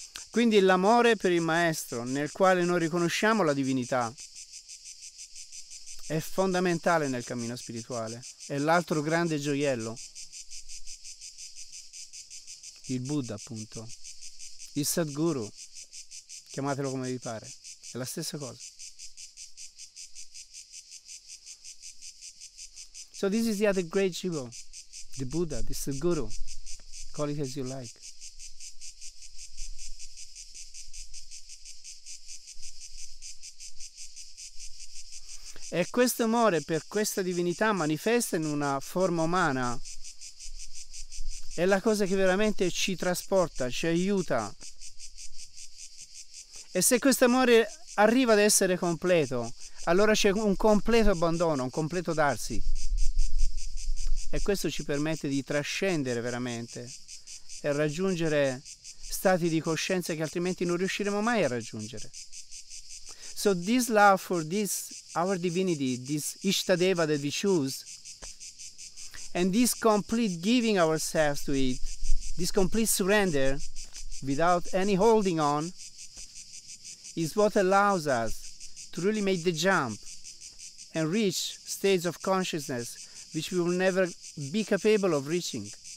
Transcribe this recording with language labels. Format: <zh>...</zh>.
<it>Quindi l'amore per il maestro, nel quale noi riconosciamo la divinità, è fondamentale nel cammino spirituale. È l'altro grande gioiello, il Buddha appunto, il Sadguru, chiamatelo come vi pare, è la stessa cosa.</it> <en>So this is the other great jewel, the Buddha, the Sadguru, call it as you like.</en> <it>E questo amore per questa divinità manifesta in una forma umana è la cosa che veramente ci trasporta, ci aiuta. E se questo amore arriva ad essere completo, allora c'è un completo abbandono, un completo darsi. E questo ci permette di trascendere veramente e raggiungere stati di coscienza che altrimenti non riusciremo mai a raggiungere.</it> <en>So this love for this our divinity, this Ishtadeva that we choose, and this complete giving ourselves to it, this complete surrender without any holding on, is what allows us to really make the jump and reach states of consciousness which we will never be capable of reaching.</en>